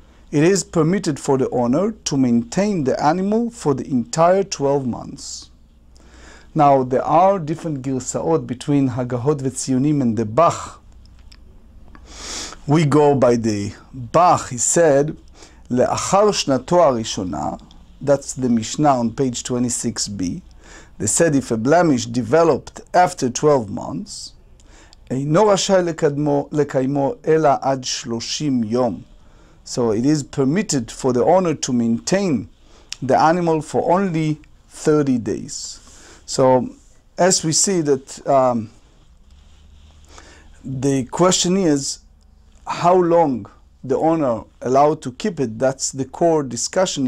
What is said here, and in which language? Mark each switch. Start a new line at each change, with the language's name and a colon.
English: It is permitted for the owner to maintain the animal for the entire 12 months. Now, there are different girsaot between Hagahot v'tzionim and the Bach. We go by the Bach. He said,
Hebrew: le'achar shnato arishona,
English: that's the Mishnah on page 26b. They said if a blemish developed after 12 months,
Hebrew: אינו רשאי לקיימו אלא עד 30 יום.
English: So it is permitted for the owner to maintain the animal for only 30 days. So as we see that the question is how long the owner allowed to keep it, that's the core discussion.